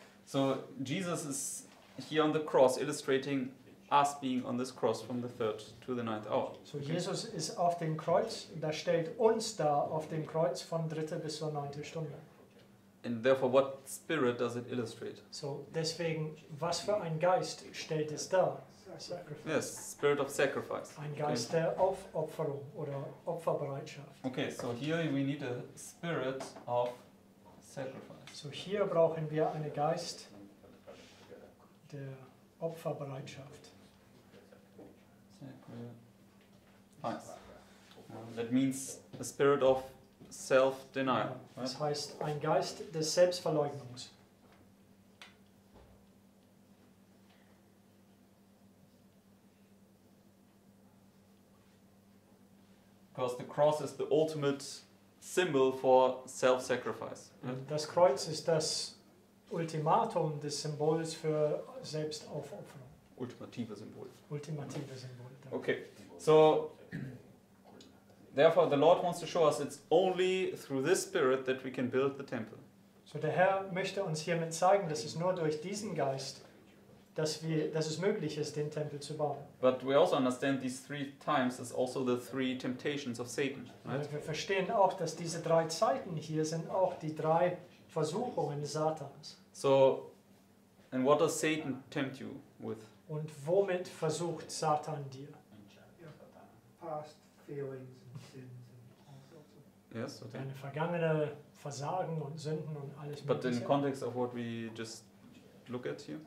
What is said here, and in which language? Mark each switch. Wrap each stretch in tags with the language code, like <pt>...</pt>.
<en>So Jesus is here on the cross illustrating us being on this cross from the 3rd to the 9th hour. So okay.</en> <de>Jesus ist auf dem Kreuz, da stellt uns da auf dem Kreuz von 3. bis zur 9. Stunde.</de> <en>And therefore what spirit does it illustrate?</en> <de>So deswegen, was für ein Geist stellt es da?</de> <en>Sacrifice. Yes, spirit of sacrifice.</en> <de>Ein Geist okay. der Aufopferung oder Opferbereitschaft.</de> <en>Okay, so here we need a spirit of sacrifice.</en> <de>So hier brauchen wir einen Geist der Opferbereitschaft.</de> <en>Sacrifice. That means a spirit of self-denial.</en> <de>Das heißt ein Geist des Selbstverleugnungs.</de> <en>Because the cross is the ultimate symbol for self-sacrifice.</en> <de>Das Kreuz ist das Ultimatum des Symbols für Selbstaufopferung. Ultimative Symbol. Ultimative Symbol.</de> <en>Okay, so therefore the Lord wants to show us it's only through this spirit that we can build the temple.</en> <de>So der Herr möchte uns hiermit zeigen, dass es nur durch diesen Geist, dass es möglich ist, den Tempel zu bauen.</de> <en>But we also understand these 3 times is also the 3 temptations of Satan. Right?</en> <de>Wir verstehen auch, dass diese 3 Zeiten hier sind auch die 3 Versuchungen Satans.</de> <en>So, and what does Satan tempt you with?</en> <de>Und womit versucht Satan dir?</de> <en>Past feelings and sins and all sorts of. Yes, okay.</en> <de>Deine vergangene Versagen und Sünden und alles.</de> <en>But in context of what we just look at here.</en>